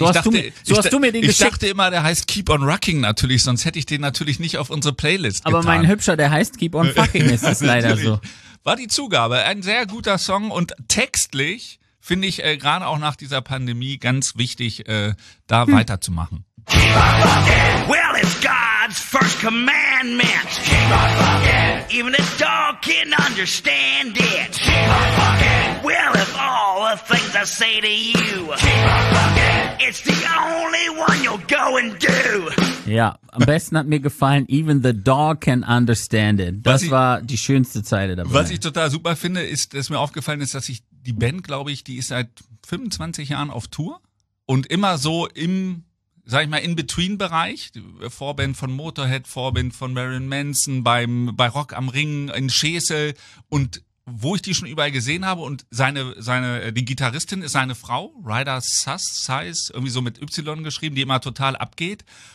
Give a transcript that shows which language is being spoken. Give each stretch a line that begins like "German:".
German: Ich dachte immer, der heißt Keep on Rocking natürlich, sonst hätte ich den natürlich nicht auf unsere Playlist getan. Aber mein Hübscher, der heißt Keep on Fucking, ist das leider so. War die Zugabe, ein sehr guter Song und textlich finde ich gerade auch nach dieser Pandemie ganz wichtig, da weiterzumachen.
English: Keep on Fucking, well it's God's first commandment. Keep on fucking, even a dog can understand it. Keep on fucking, well if all the things I say to you. Keep on fucking, it's the only one you'll go and do.
German: Ja, am besten hat mir gefallen,
English: even the dog can understand it.
German: Das war die schönste Zeile dabei. Was ich total super finde, ist, dass mir aufgefallen ist, dass ich die Band, glaube ich, die ist seit 25 Jahren auf Tour und immer so im, sag ich mal, In-Between-Bereich, Vorband von Motorhead, Vorband von Marilyn Manson, bei Rock am Ring, in Schesel und wo ich die schon überall gesehen habe und die Gitarristin ist seine Frau, Ryder Size, irgendwie so mit Y geschrieben, die immer total abgeht.